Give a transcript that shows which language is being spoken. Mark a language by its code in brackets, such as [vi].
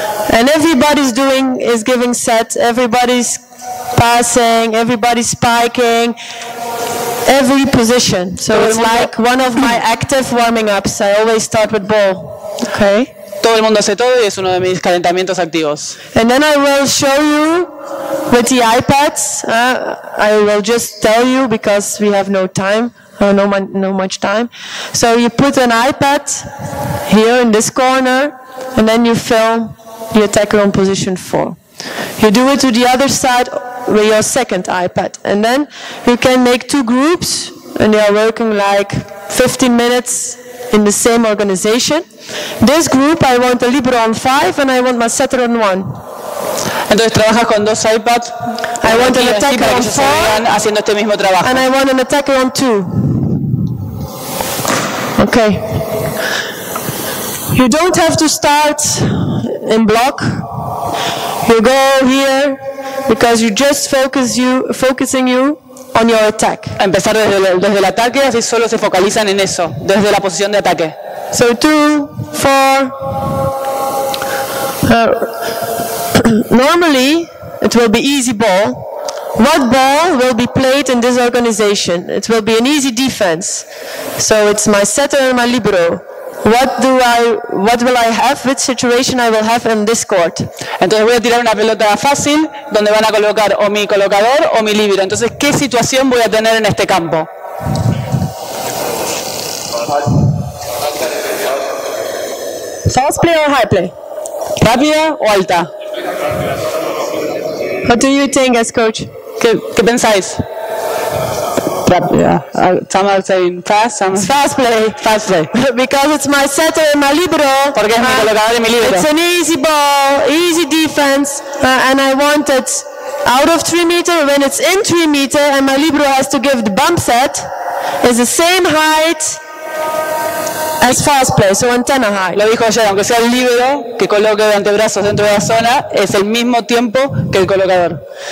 [en] And everybody's doing is giving sets, everybody's passing, everybody's spiking. Every position. So [es] todo [en] it's like one of my active warming ups. I always start with ball. Okay. [es] Todo el mundo hace todo y es uno de mis calentamientos activos. [en] And then I will show you with the iPads. I will just tell you because we have no time, no much time. So you put an iPad here in this corner, and then you film the attacker on position 4. You do it to the other side with your second iPad, and then you can make 2 groups, and they are working like 15 minutes. In the same organization. This group, I want a libero on 5 and I want my setter on 1. [es] Entonces trabajas con dos iPads. [en] I want an attacker on 4 [es] haciendo este mismo trabajo. [en] And I want an attacker on 2. Okay. You don't have to start in block. You go here because you just focusing you on your attack. [es] Empezar desde el ataque, así solo se focalizan en eso, desde la posición de ataque. [en] So 2, 4. Normally, it will be easy ball. What ball will be played in this organization? It will be an easy defense. So it's my setter and my libero. What will I have? Which situation I will have in this court? [es] Entonces voy a tirar una pelota fácil donde van a colocar o mi colocador o mi libero. Entonces, ¿qué situación voy a tener en este campo? [en] Fast play or high play? [es] ¿Rápida o alta? [en] What do you think as coach? [es] ¿Qué pensáis? [en] Some are saying fast, some fast play. Because it's my setter and my libero. [es] Porque es mi colocador y mi libero. [en] It's an easy ball, easy defense, and I want it out of 3 meter. When it's in 3 meter, and my libero has to give the bump set, is the same height as fast play, so antenna high. [es] Lo dijo ayer, aunque sea el libero que coloque de antebrazos dentro de la zona, es el mismo tiempo que el colocador.